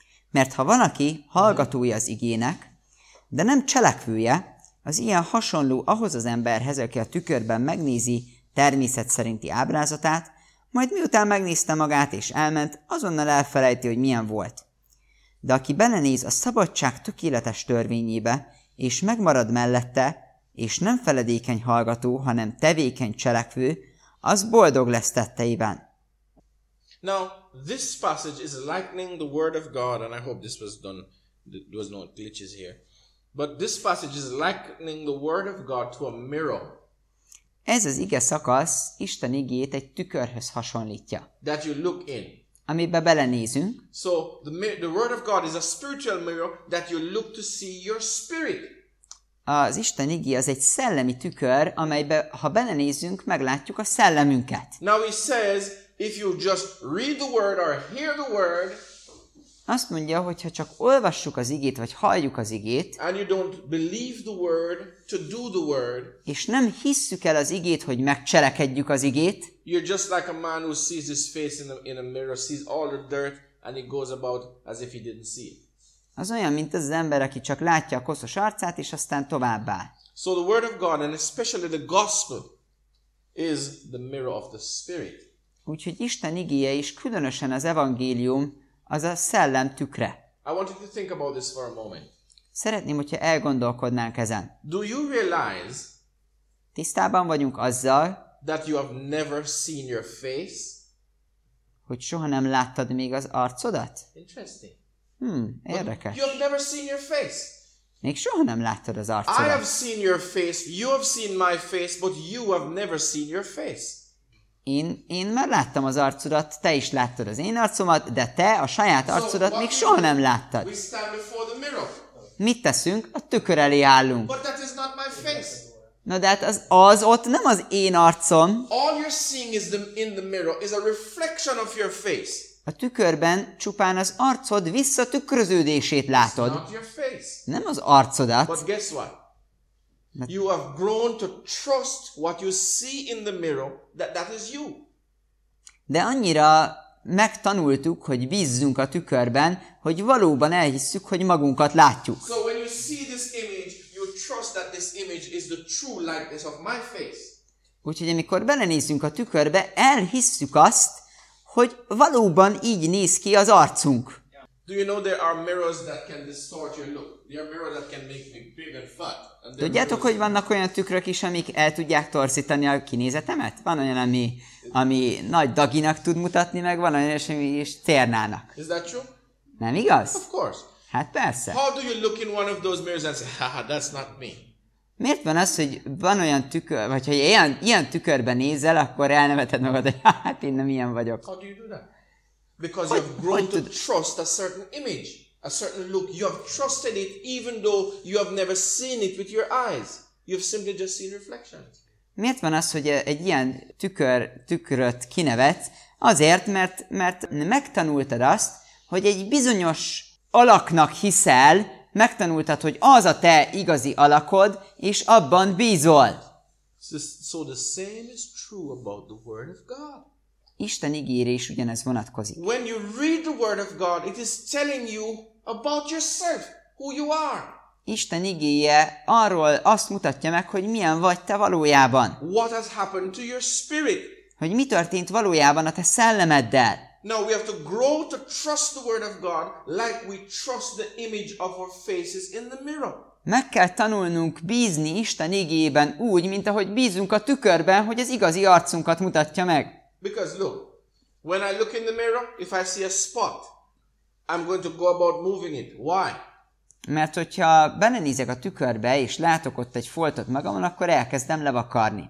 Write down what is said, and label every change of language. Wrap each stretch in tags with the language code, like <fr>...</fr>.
<hu>Mert ha van, aki hallgatója az igének, de nem cselekvője, az ilyen hasonló ahhoz az emberhez, aki a tükörben megnézi természet szerinti ábrázatát, majd miután megnézte magát és elment, azonnal elfelejti, hogy milyen volt. De aki belenéz a szabadság tökéletes törvényébe, és megmarad mellette, és nem feledékeny hallgató, hanem tevékeny cselekvő, az boldog lesz tetteiben.</hu> <en>Now, this passage is likening the word of God, and I hope this was done, there was no glitches here. But this passage is likening the word of God to a mirror.</en> <hu>Ez az ige szakasz Isten igéjét egy tükörhöz hasonlítja.</hu> <en>That you look in.</en> <hu>Amibe belenézünk.</hu> <en>So the word of God is a spiritual mirror that you look to see your spirit.</en> <hu>Az Isten igéje az egy szellemi tükör, amelybe, ha belenézünk, meglátjuk a szellemünket.</hu> <en>Now he says, if you just read the word or hear the word,</en> <hu>azt mondja, hogyha csak olvassuk az igét, vagy halljuk az igét,</hu> <en>and you don't believe the word to do the word,</en> <hu>és nem hisszük el az igét, hogy megcselekedjük az igét,</hu> <en>you're just like a man who sees his face in a mirror, sees all the dirt, and he goes about as if he didn't see it.</en> <hu>Az olyan, mint az ember, aki csak látja a koszos arcát, és aztán továbbá.</hu> <en>So the word of God, and especially the gospel, is the mirror of the spirit.</en> <hu>Úgyhogy Isten igéje is, különösen az evangélium, az a szellem tükre.</hu> <en>I want you to think about this for a moment.</en> <hu>Szeretném, hogyha elgondolkodnánk ezen.</hu> <en>Do you realize,</en> <hu>tisztában vagyunk azzal,</hu> <en>that you have never seen your face?</en> <hu>Hogy soha nem láttad még az arcodat?</hu> <en>Interesting.</en> <hu>Érdekes.</hu> <en>You have never seen your face.</en> <hu>Még soha nem láttad az arcodat.</hu> <en>I have seen your face, you have seen my face, but you have never seen your face.</en> <hu>Én már láttam az arcodat, te is láttad az én arcomat, de te a saját arcodat</hu> <en>so,</en> <hu>még soha nem láttad.</hu> <en>We stand before the mirror.</en> <hu>Mit teszünk? A tükör elé állunk.</hu> <en>But that is not my face.</en> <hu>Na de hát az ott nem az én arcom.</hu> <en>All you're seeing is in the mirror is a reflection of your face.</en> <hu>A tükörben csupán az arcod visszatükröződését látod.</hu> <en>It's not your face.</en> <hu>Nem az arcodat.</hu> <en>But guess what? You have grown to trust what you see in the mirror, that is you.</en> <hu>De annyira megtanultuk, hogy bízzunk a tükörben, hogy valóban elhisszük, hogy magunkat látjuk.</hu> <en>So when you see this image, you trust that this image is the true likeness of my face.</en> <hu>Úgyhogy amikor belenézünk a tükörbe, elhisszük azt, hogy valóban így néz ki az arcunk.</hu> <en>Do you know there are mirrors that can distort your look? There are mirrors that can make me big and fat.</en> <hu>Tudjátok, hogy vannak olyan tükrök is, amik el tudják torzítani a kinézetemet? Van olyan, ami nagy daginak tud mutatni, meg van olyan, ami is cérnának.</hu> <en>Is that true?</en> <hu>Nem igaz?</hu> <en>Of course.</en> <hu>Hát persze.</hu> <en>How do you look in one of those mirrors and say, "Haha, that's not me"?</en> <hu>Miért van az, hogy van olyan tükör, vagy ha ilyen tükörben nézel, akkor elneveted magad, hogy hát én nem ilyen vagyok.</hu> <en>How do you do that? Because you've grown to trust a certain image, a certain look. You have trusted it even though you have never seen it with your eyes. You've simply just seen reflections.</en> <hu>Miért van az, hogy egy ilyen tükröt kinevetsz? Azért, mert megtanultad azt, hogy egy bizonyos alaknak hiszel, megtanultad, hogy az a te igazi alakod, és abban bízol.</hu> <en>So the same is true about the word of God.</en> <hu>Isten ígére is ugyanez vonatkozik.</hu> <en>When you read the word of God, it is telling you about yourself, who you are.</en> <hu>Isten igéje arról azt mutatja meg, hogy milyen vagy te valójában.</hu> <en>What has happened to your spirit?</en> <hu>Hogy mi történt valójában a te szellemeddel?</hu> <en>Now we have to grow to trust the word of God like we trust the image of our faces in the mirror.</en> <hu>Meg kell tanulnunk bízni Isten igében úgy, mint ahogy bízunk a tükörben, hogy az igazi arcunkat mutatja meg.</hu> <en>Because look, when I look in the mirror, if I see a spot, I'm going to go about moving it. Why?</en> <hu>Mert hogyha benézek a tükörbe, és látok ott egy foltot magamon, akkor elkezdem levakarni.</hu>